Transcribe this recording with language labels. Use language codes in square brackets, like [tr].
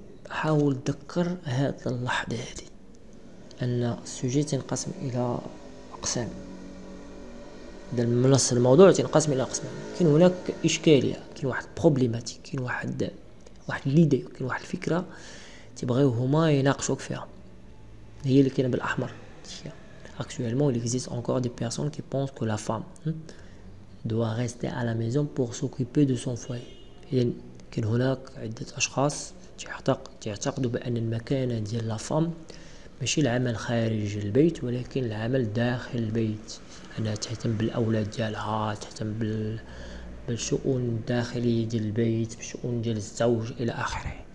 [ar] حاول تذكر هذه اللحظة هذه أن السوجي تنقسم إلى أقسام. هذا المنص الموضوع تنقسم إلى أقسام. كاين هناك إشكالية، كاين واحد بروبليماتيك، كاين واحد ليدي، كاين واحد الفكرة تبغيو هما يناقشوك فيها. هي اللي كاينة بالأحمر. [fr] Actuellement, il existe encore des personnes qui pensent que la femme doit rester à la maison pour s'occuper de son foyer. [ar] إذن كاين هناك عدة أشخاص تعتقد بأن المكانة ديال لا فام ماشي العمل خارج البيت ولكن العمل داخل البيت، أنها تهتم بالأولاد ديالها، تهتم بالشؤون الداخلية ديال البيت، بالشؤون ديال الزوج إلى آخره.